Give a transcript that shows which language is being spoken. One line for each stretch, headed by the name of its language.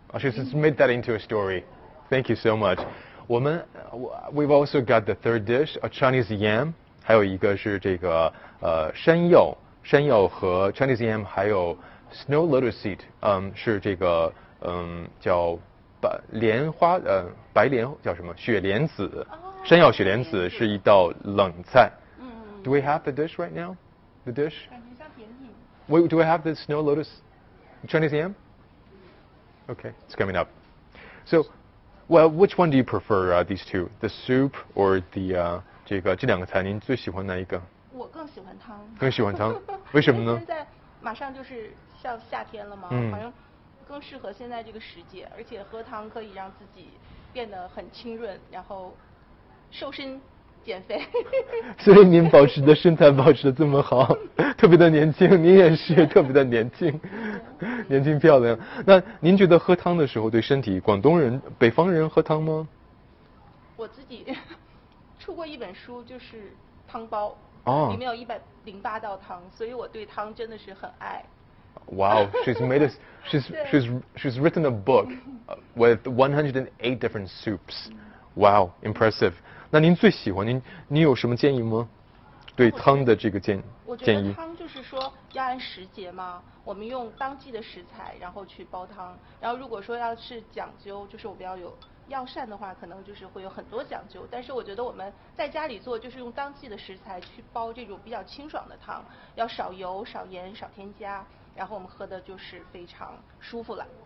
English: She's just made that into a story. Thank you so much. We've also got the third dish, a Chinese yam，
Chinese: 还有一个是这个山药和
English: Chinese yam，
Chinese: 还有
English: snow lotus seed，
Chinese: 是这个叫莲花白莲叫什么雪莲子。山药雪莲子是一道冷菜。
English: Do we have the dish right now? The dish?
Chinese: 感觉像甜品。
English: Do we have the snow lotus Chinese yam? Okay, it's coming up. So, well, which one do you prefer, these two? The soup or the,
Chinese: 这个这两个菜您最喜欢哪一个？我更喜欢汤。更喜欢汤？为什么呢？现在马上就是像夏天了嘛，好像更适合现在这个时节，而且喝汤可以让自己变得很清润，然后瘦身减肥。所以您保持的身材保持得这么好，特别的年轻，您也是特别的年轻，年轻漂亮。那您觉得喝汤的时候对身体，广东人北方人喝汤吗？我自己出过一本书，就是汤包，里面有108道汤，所以我对汤真的是很爱。
English: Wow, she's written a book with 108 different soups. Wow, impressive.
Chinese: 那您最喜欢您有什么建议吗？对汤的这个建议？我觉得汤就是说要按时节嘛，我们用当季的食材，然后去煲汤。然后如果说要是讲究，就是我们要有药膳的话可能就是会有很多讲究，但是我觉得我们在家里做就是用当季的食材去煲这种比较清爽的汤，要少油少盐少添加，然后我们喝的就是非常舒服了。